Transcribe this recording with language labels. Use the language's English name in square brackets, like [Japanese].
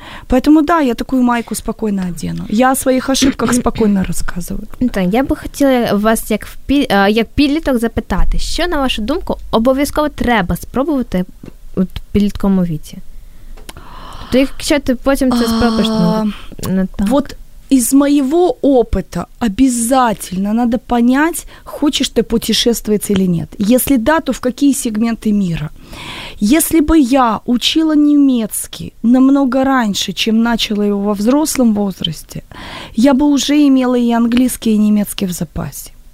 [Russian] Поэтому да, я такую майку спокойно одену. Я о своих ошибках спокойно рассказываю. [Ukrainian] Так, я би хотіла вас як підліток запитати, що, на вашу думку, обов'язково треба спробувати у підлітковому віці? То якщо ти потім це спробуєш, то не так. [Russian] Вот из моего опыта обязательно надо понять, хочешь ты путешествовать или нет. Если да, то в какие сегменты мира? Если бы я учила немецкий намного раньше, чем начала его во взрослом возрасте, я бы уже имела и английский, и немецкий в запасе.